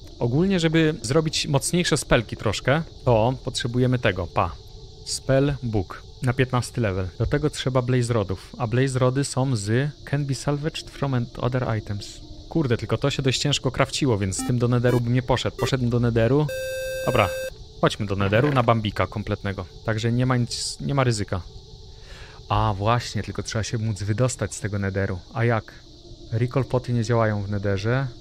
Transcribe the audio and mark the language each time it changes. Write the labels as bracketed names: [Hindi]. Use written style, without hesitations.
[Polish] Ogólnie, żeby zrobić mocniejsze spelki troszkę, to potrzebujemy tego. Pa. Spell Book. Na 15 level. Do tego trzeba Blaze Rodów. A Blaze Rody są z... [English] Can be salvaged from other items. [Polish] Kurde, tylko to się dość ciężko krawciło, więc z tym do Netheru bym nie poszedł. Poszedłem do Netheru. Dobra. Chodźmy do Netheru na Bambika kompletnego. Także nie ma nic, nie ma ryzyka. A właśnie, tylko trzeba się móc wydostać z tego Netheru. A jak? Recall poty nie działają w Netherze.